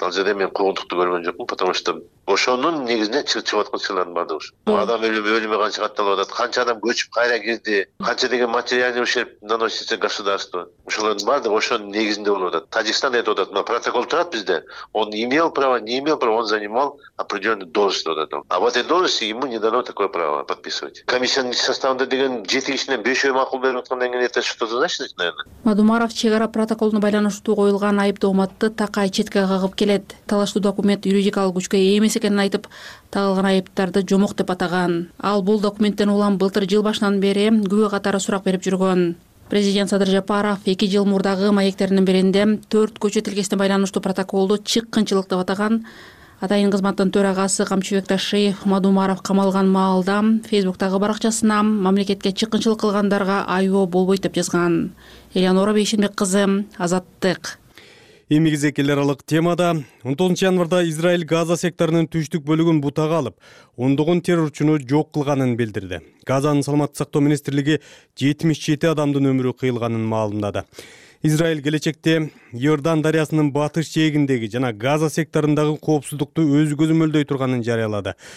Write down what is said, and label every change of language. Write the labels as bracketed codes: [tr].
[ky] Ал жерде мен куугунтукту көргөн жокмун, [ru] потому что [ky] ошонун негизинде чыгып аткан чыгардын баардыгы ушу. Адам өлүмү канча катталып атат, канча адам көчүп кайра кирди, канча деген [ru] материальный ущерб наносится государству. [ky] Ушулардын баардыгы ошонун негизинде болуп атат. Тажикстан айтып атат, мына протокол турат бизде. [ru] Он не имел права, он занимал определенную должность вот этого. А в этой должности ему не дано такое право подписывать. [ky] Комиссиянын составында деген 7 кишинен 5 макул берип аткандан кийин [ru] это что-то значит, наверное. [ky] Мадумаров чек ара протоколуна байланыштуу коюлган айыптоо матты такай четке кагып келет. Талаштуу документ юридикалык күчкө ээ эмес экенин айтып, тагылган айыптарды жомок деп атаган. Ал бул документтен улам былтыр жыл башынан бери күбө катары сурак берип жүргөн. Президент Садыр Жапаров 2 мурдагы маектеринин биринде 4 көчө тилкесине байланыштуу протоколду чыккынчылык деп атаган. Атайын кызматтын төрагасы Камчыбек Ташиев Мадумаров камалган маалда Facebook-тагы баракчасына мамлекетке чыккынчылык кылгандарга айоо болбойт деп жазган. Элеонора Бейшенбек кызы, Азаттык. Эми кезекке аралык темада 19 январда Израиль Газа секторунун түштүк бөлүгүн бутага алып, ондогон террорчуну жок кылганын билдирди. Газанын саламаттык сактоо министрлиги 77 адамдын өмүрү кыйылганын маалымдады. Израиль келечекте Иордан дарыясынын батыш чегиндеги жана Газа секторундагы коопсуздукту өз көзөмөлдөй турганын жарыялады.